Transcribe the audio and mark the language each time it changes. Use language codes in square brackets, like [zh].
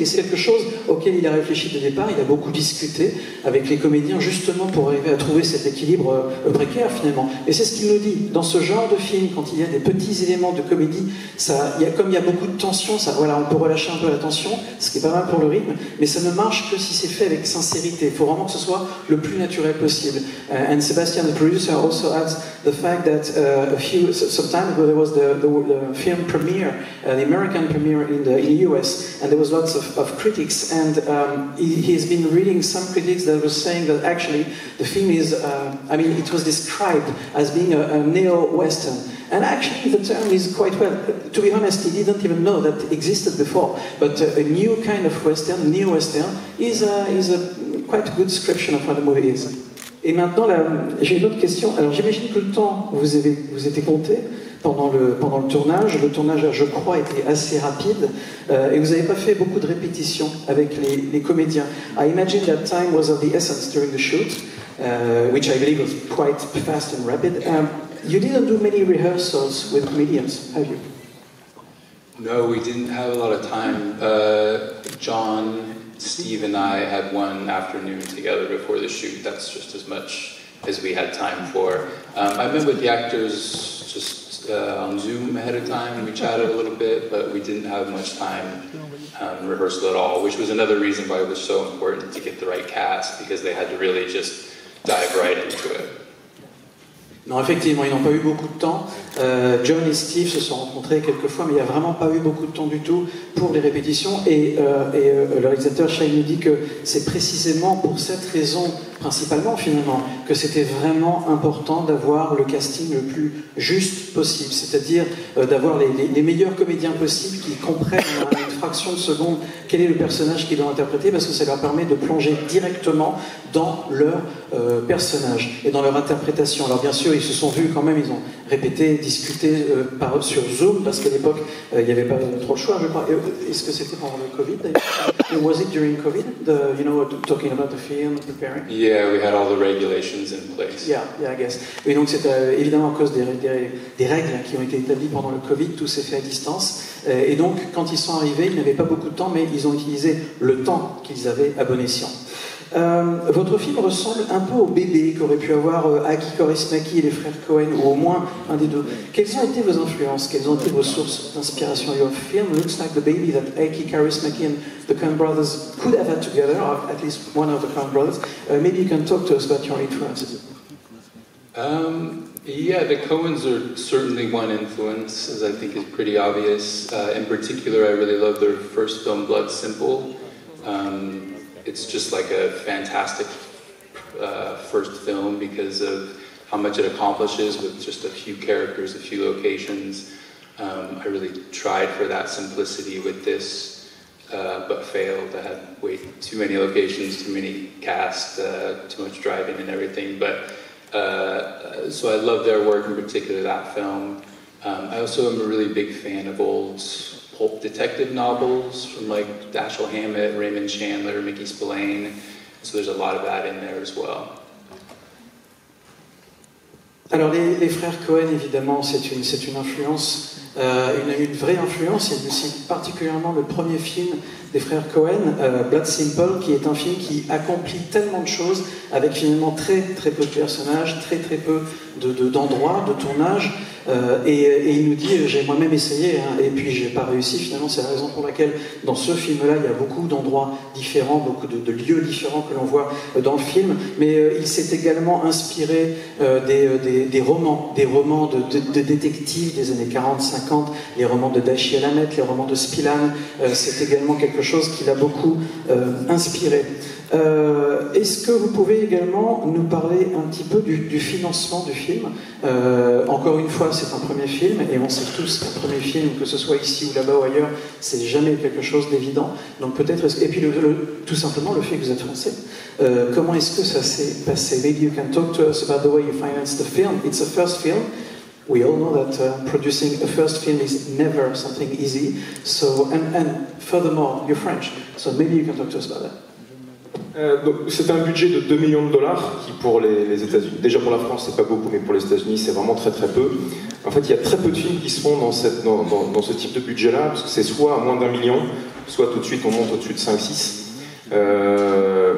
[fr] Et c'est quelque chose auquel il a réfléchi de départ. Il a beaucoup discuté avec les comédiens, justement, pour arriver à trouver cet équilibre précaire, finalement. Et c'est ce qu'il nous dit. Dans ce genre de film, quand il y a des petits éléments de comédie, il y a beaucoup de tension, ça, voilà, on peut relâcher un peu la tension, ce qui est pas mal pour le rythme, mais ça ne marche que si c'est fait avec sincérité. Il faut vraiment que ce soit le plus naturel possible. [en] And Sebastian, the producer, also adds the fact that some time ago there was the film premiere, the American premiere in the US, and there was lots of critics, and he has been reading some critics that were saying that actually the film is, it was described as being a neo-Western. And actually the term is quite well, to be honest, he didn't even know that existed before, but a new kind of Western, neo-Western, is a quite good description of what the movie is. [fr] Et maintenant, j'ai une autre question. Alors, j'imagine que le temps, vous était compté pendant le tournage. Le tournage, je crois, était assez rapide. Et vous n'avez pas fait beaucoup de répétitions avec les comédiens. [en] I imagine that time was of the essence during the shoot, which I believe was quite fast and rapid. You didn't do many rehearsals with comedians, have you? No, we didn't have a lot of time. John, Steve and I had one afternoon together before the shoot. That's just as much as we had time for. I met with the actors just on Zoom ahead of time. We chatted a little bit, but we didn't have much time rehearsal at all, which was another reason why it was so important to get the right cast, because they had to really just dive right into it. [fr] Non, effectivement, ils n'ont pas eu beaucoup de temps. John et Steve se sont rencontrés quelques fois, mais il n'y a vraiment pas eu beaucoup de temps du tout pour les répétitions. Et le réalisateur Shane nous dit que c'est précisément pour cette raison, principalement finalement, que c'était vraiment important d'avoir le casting le plus juste possible, c'est-à-dire d'avoir les meilleurs comédiens possibles qui comprennent en une fraction de seconde quel est le personnage qu'ils doivent interpréter, parce que ça leur permet de plonger directement dans leur personnage et dans leur interprétation. Alors bien sûr, ils se sont vus quand même, ils ont répété, discuté sur Zoom, parce qu'à l'époque, il n'y avait pas trop le choix, je crois. Est-ce que c'était pendant le Covid? [en] Was it during Covid, talking about the film, preparing? Yeah, we had all the regulations in place. Yeah, I guess. [fr] Et donc c'était évidemment à cause des règles qui ont été établies pendant le Covid, tout s'est fait à distance. Et donc, quand ils sont arrivés, ils n'avaient pas beaucoup de temps, mais ils ont utilisé le temps qu'ils avaient à bon escient. Votre film ressemble un peu au bébé qu'aurait pu avoir Aki Kaurismäki et les frères Cohen, ou au moins un des deux. Quelles ont été vos influences? Quelles ont été vos sources d'inspiration? [en] Your film looks like the baby that Aki Kaurismäki and the Coen brothers could have had together, or at least one of the Coen brothers. Maybe you can talk to us about your influences. Yeah, the Coens are certainly one influence, as I think is pretty obvious. In particular, I really love their first film, Blood Simple. It's just like a fantastic first film because of how much it accomplishes with just a few characters, a few locations. I really tried for that simplicity with this, but failed. I had way too many locations, too many cast, too much driving and everything. But so I love their work, in particular that film. I also am a really big fan of old pulp detective novels from like Dashiell Hammett, Raymond Chandler, Mickey Spillane. So there's a lot of that in there as well. [fr] Alors les frères Cohen, évidemment, c'est une influence Il a eu une vraie influence, et aussi particulièrement le premier film des frères Coen, Blood Simple, qui est un film qui accomplit tellement de choses avec finalement très peu de personnages, très peu d'endroits, de tournage. Et il nous dit, j'ai moi-même essayé, hein, et puis j'ai pas réussi. Finalement, c'est la raison pour laquelle dans ce film-là, il y a beaucoup d'endroits différents, beaucoup de lieux différents que l'on voit dans le film. Mais il s'est également inspiré des romans de détectives des années 40-50, les romans de Dashiell Hammett, les romans de Spillane. C'est également quelque chose qui l'a beaucoup inspiré. Est-ce que vous pouvez également nous parler un petit peu du financement du film? Encore une fois, c'est un premier film, et on sait tous qu'un premier film, que ce soit ici ou là-bas ou ailleurs, c'est jamais quelque chose d'évident. Donc peut-être, et puis tout simplement le fait que vous êtes français, comment est-ce que ça s'est passé? [en] Maybe you can talk to us about the way you financed the film. It's a first film. We all know that producing a first film is never something easy. So, and furthermore, you're French, so maybe you can talk to us about that. [fr] Donc, c'est un budget de 2 millions de dollars qui, pour les États-Unis, déjà pour la France c'est pas beaucoup, mais pour les États-Unis c'est vraiment très peu. En fait, il y a très peu de films qui se font dans ce type de budget là, parce que c'est soit à moins d'un million, soit tout de suite on monte au-dessus de 5-6.